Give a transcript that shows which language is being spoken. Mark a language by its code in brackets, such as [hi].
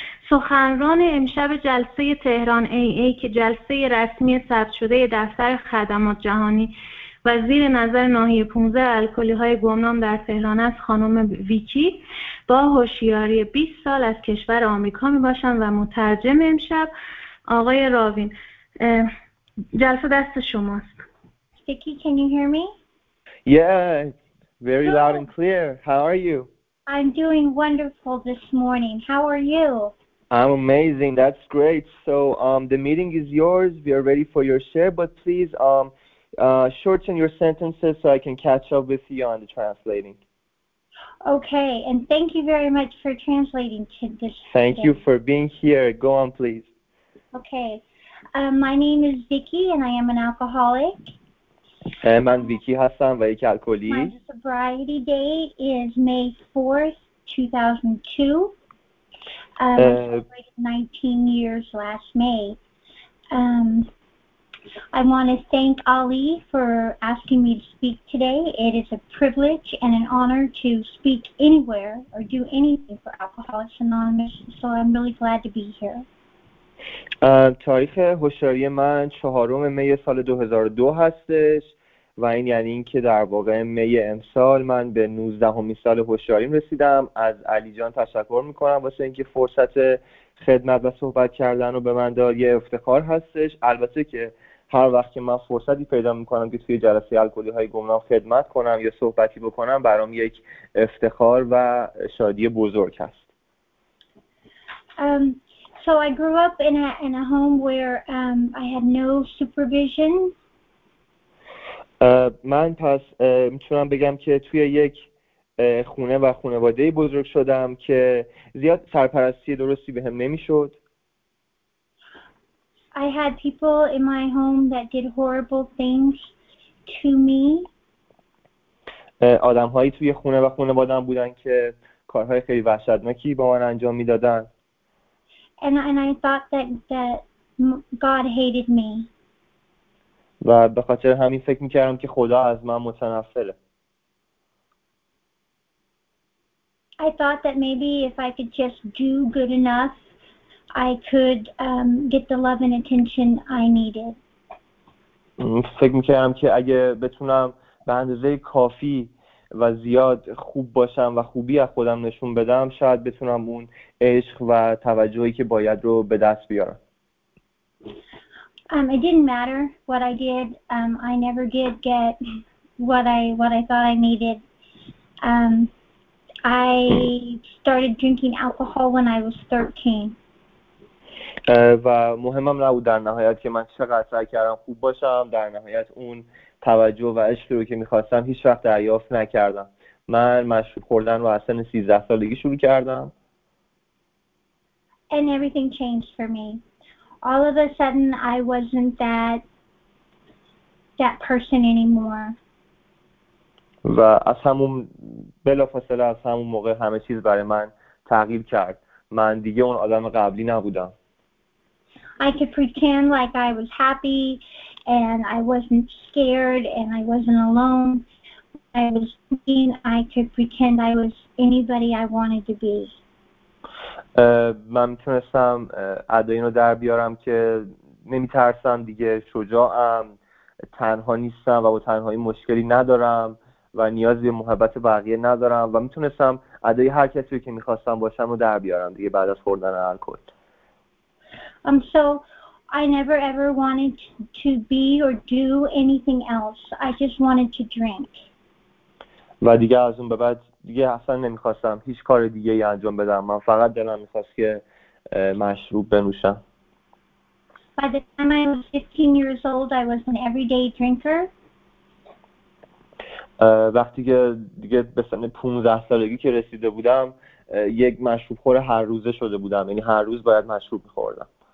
[fa] سخنران امشب جلسه تهران AA که جلسه رسمی ثبت شده دفتر خدمات جهانی و زیر نظر ناحیه 15 الکلی های گمنام در تهران است، خانم ویکی با هوشیاری 20 سال از کشور آمریکا می باشند و مترجم امشب آقای راوین. جلسه دست شماست. [en] Vicky, can you hear me? Yeah, very loud and clear. How are you? I'm doing wonderful this morning. How are you? I'm amazing. That's great. So the meeting is yours. We are ready for your share, but please shorten your sentences so I can catch up with you on the translating. Okay, and thank you very much for translating to this. Thank you for being here. Go on, please. Okay. My name is Vicky, and I am an alcoholic. [fa] من ویکی هستم و یک الکلی. [en] My sobriety date is May 4th, 2002. I celebrated 19 years last May. I want to thank Ali for asking me to speak today. It is a privilege and an honor to speak anywhere or do anything for Alcoholics Anonymous. So I'm really glad to be here. [fa] تاریخ هوشیاری من 4 می سال 2002 هستش. و این یعنی این که در واقع می امسال من به 19 سال هوشیاریم رسیدم. از علی جان تشکر میکنم واسه اینکه فرصت خدمت و صحبت کردن رو به من داد، یه افتخار هستش. البته که هر وقت که من فرصتی پیدا میکنم که توی جلسه الکلی های گمنام خدمت کنم یا صحبتی بکنم، برام یک افتخار و شادی بزرگ هست. [en] So I grew up in a home where I had no supervision. [fa] من پس میتونم بگم که توی یک خونه و خانواده بزرگ شدم که زیاد سرپرستی درستی به هم نمیشد. [en] I had people in my home that did horrible things to me. [fa] آدم هایی توی خونه و خانواده‌ام بودن که کارهای خیلی وحشتناکی با من انجام میدادن. [en] And I thought that God hated me. [fa] و به خاطر همین فکر میکردم که خدا از من متنفره. [en] I thought that maybe if I could just do good enough, I could get the love and attention I needed. [fa] فکر میکردم که اگه بتونم به اندازه کافی و زیاد خوب باشم و خوبی از خودم نشون بدم، شاید بتونم اون عشق و توجهی که باید رو به دست بیارم. [en] It didn't matter what I did. I never did get what I thought I needed. I started drinking alcohol when I was 13. [fa] و مهمم نبود در نهایت که من چقدر سعی کردم خوب باشم، در نهایت اون توجه و عشق رو که می‌خواستم هیچ وقت دریافت نکردم. من مشروب خوردن رو از سن 13 سالگی شروع کردم. [en] And everything changed for me. All of a sudden, I wasn't that person anymore. [fa] و از همون بلافاصله از همون موقع همه چیز برای من تغییر کرد. من دیگه اون آدم قبلی نبودم. [en] I could pretend like I was happy and I wasn't scared and I wasn't alone. I was thinking I could pretend I was anybody I wanted to be. [fa] من میتونستم ادای اینو در بیارم که نمیترسم دیگه، شجاعم، تنها نیستم و با تنهایی مشکلی ندارم و نیاز به محبت بقیه ندارم و میتونستم ادای هر کسی که میخواستم باشم رو در بیارم دیگه بعد از خوردن الکل. [en] So I never ever wanted to be or do anything else. I just wanted to drink. [fa] و دیگه از اون به بعد دیگه اصلا نمیخواستم هیچ کار دیگه ای انجام بدم. من فقط دلم میخواست که مشروب بنوشم. [en] By the time I was 15 years old, I was an everyday drinker. [fa] وقتی که دیگه به سن 15 سالگی که رسیده بودم یک مشروب خور هر روزه شده بودم. یعنی هر روز باید مشروب میخوردم.